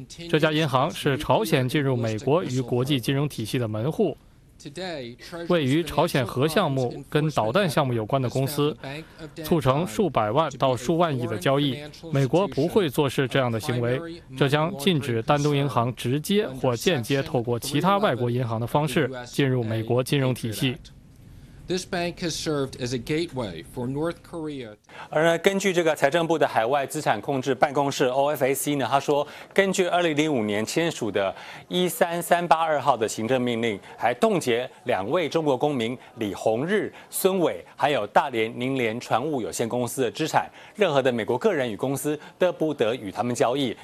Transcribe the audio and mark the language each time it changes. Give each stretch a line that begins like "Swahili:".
Chinese: 这家银行是朝鲜进入美国与国际金融体系的门户，为与朝鲜核项目跟导弹项目有关的公司促成数百万到数万亿的交易。美国不会做事这样的行为，这将禁止丹东银行直接或间接透过其他外国银行的方式进入美国金融体系。
English: This bank has served as a gateway for North Korea.
Chinese: 而呢，根据这个财政部的海外资产控制办公室 OFAC 呢，他说，根据2005年签署的13382号的行政命令，还冻结两位中国公民李洪日、孙伟，还有大连宁联船务有限公司的资产，任何的美国个人与公司都不得与他们交易。